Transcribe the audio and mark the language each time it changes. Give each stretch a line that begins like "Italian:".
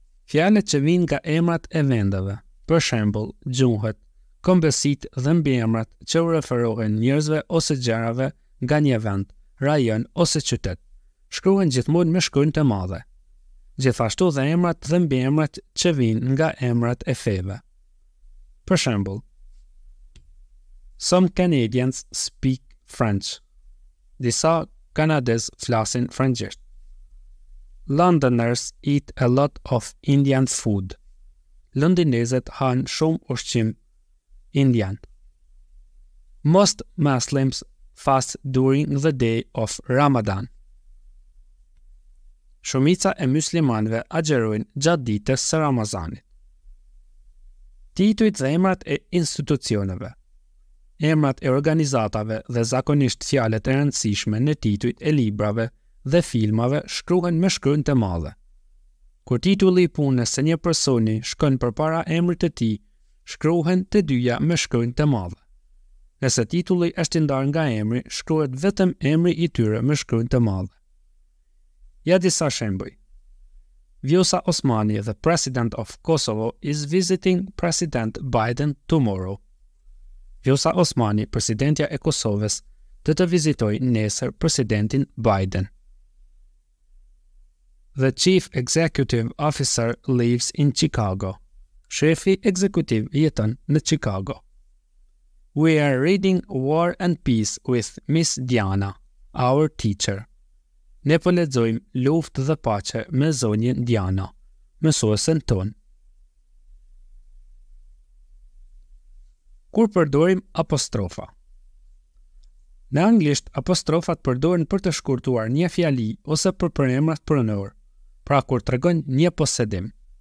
Albanian: Fjalët që vijnë nga emrat e vendeve, për shembull, gjuhët, kombësitë dhe mbiemrat që u referohen njerëzve ose gjërave nga një vend, rajon ose qytet, shkruhen gjithmonë me shkronjë të madhe. Gjithashtu dhe emrat dhe mbiemrat që vijnë nga emrat e feve. Për shembull,
English: some Canadians speak French.
Albanian: Disa kanadez flasin frëngjisht.
English: Londoners eat a lot of Indian food.
Albanian: Londinezët han shumë ushqim indian.
English: Most Muslims fast during the day of Ramadan.
Albanian: Shumica e muslimanëve agjerojnë gjatë ditës së Ramazanit. Titujt dhe emrat e institucioneve. Emrat e organizatave dhe zakonisht fjalët e rëndësishme në titujt e librave dhe filmave shkruhen me shkronjë të madhe. Kur titulli i punës së një personi shkon përpara emrit të tij, shkruhen të dyja me shkronjë të madhe. Nëse titulli është i ndarë nga emri, shkruhet vetëm emri i tyre me shkronjë të madhe. Ja disa shembuj.
English: Vjosa Osmani, the president of Kosovo, is visiting President Biden tomorrow.
Albanian: Vjosa Osmani, presidentja e Kosovës, do të vizitoj nesër presidentin Biden.
English: The chief executive officer lives in Chicago.
Albanian: Shefi ekzekutiv jeton në Chicago.
English: We are reading War and Peace with Miss Diana, our teacher.
Albanian: Ne po lexojmë Luftë dhe Paqe me zonjën Diana, mësuesen tonë. Kur përdorim apostrofa? Në anglisht, apostrofat përdoren për të shkurtuar një fjali ose për përemrat pronor, pra kur tregojnë një posedim.